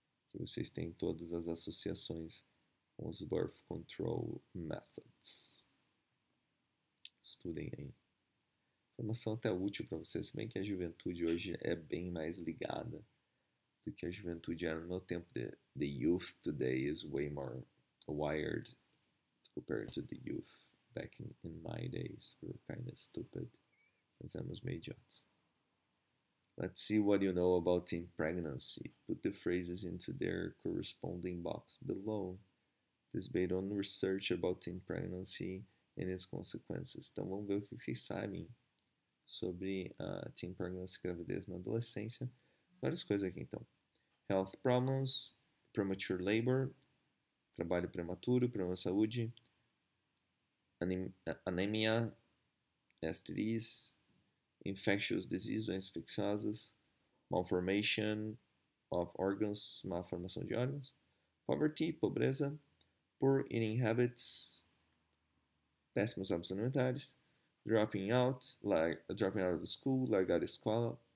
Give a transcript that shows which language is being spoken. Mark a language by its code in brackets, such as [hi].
[pt] Que vocês têm todas as associações com os [en] birth control methods. [pt] Estudem aí. Informação até útil para vocês, se bem que a juventude hoje é bem mais ligada do que a juventude era no meu tempo. [en] The youth today is way more wired compared to the youth back in my days. We were kind of stupid. [pt] Nós éramos meio idiotas. [en] Let's see what you know about teen pregnancy. Put the phrases into their corresponding box below. This is based on research about teen pregnancy and its consequences. [pt] Então vamos ver o que vocês sabem sobre a [en] teen pregnancy, [pt] gravidez na adolescência. Várias coisas aqui então. [en] Health problems, premature labor, [pt] trabalho prematuro, problema de saúde, anemia, STDs, [en] infectious diseases, [pt] doenças infecciosas, [en] malformation of organs, [pt] má formação de órgãos, poverty, pobreza, [en] poor eating habits, [pt] péssimos hábitos alimentares, [en] dropping out of the school, [pt] largar a escola.